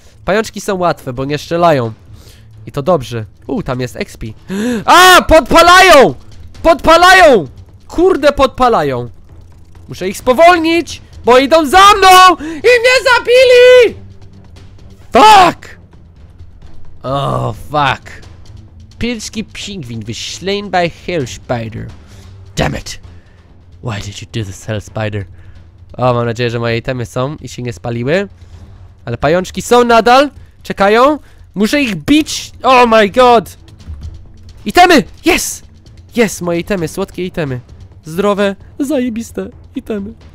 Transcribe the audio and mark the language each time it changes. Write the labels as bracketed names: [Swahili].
[Polish] Pajączki są łatwe, bo nie strzelają. I to dobrze. Tam jest XP. A, podpalają! Podpalają! Kurde, podpalają. Muszę ich spowolnić, bo idą za mną i mnie zabili! [English] Fuck! Oh, fuck. Pilski pingwin was slain by hell spider. Damn it! Why did you do this, hell spider? [Polish] O, mam nadzieję, że moje itemy są i się nie spaliły. Ale pajączki są nadal, czekają. Muszę ich bić. [English] Oh my god! [Polish] Itemy! Yes! Yes, moje itemy, słodkie itemy. Zdrowe, zajebiste itemy.